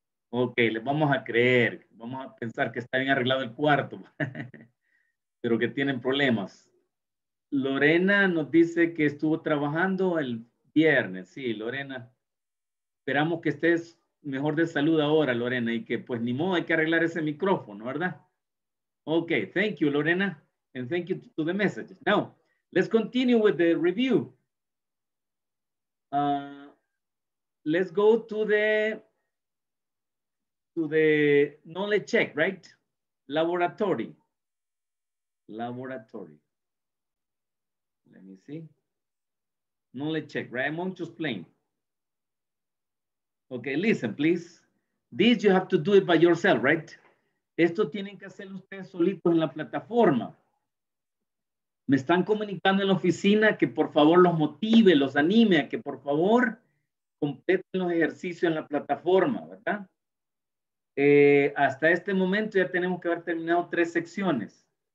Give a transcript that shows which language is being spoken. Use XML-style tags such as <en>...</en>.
<es>Ok, le vamos a creer. Vamos a pensar que está bien arreglado el cuarto. Pero que tienen problemas. Lorena nos dice que estuvo trabajando el viernes. Sí, Lorena. Esperamos que estés mejor de salud ahora, Lorena, y que pues ni modo, hay que arreglar ese micrófono, ¿verdad?</es> <en>Ok, thank you, Lorena, and thank you to the messages. Now, let's continue with the review. Let's go to the knowledge check, right? Laboratory. Laboratory. Let me see. Knowledge check, right? I'm going to explain. Okay, listen, please. This you have to do it by yourself, right?</en> <es>Esto tienen que hacer ustedes solitos en la plataforma. Me están comunicando en la oficina que por favor los motive, los anime a que por favor completen los ejercicios en la plataforma, ¿verdad? Hasta este momento ya tenemos que haber terminado 3 secciones.</es>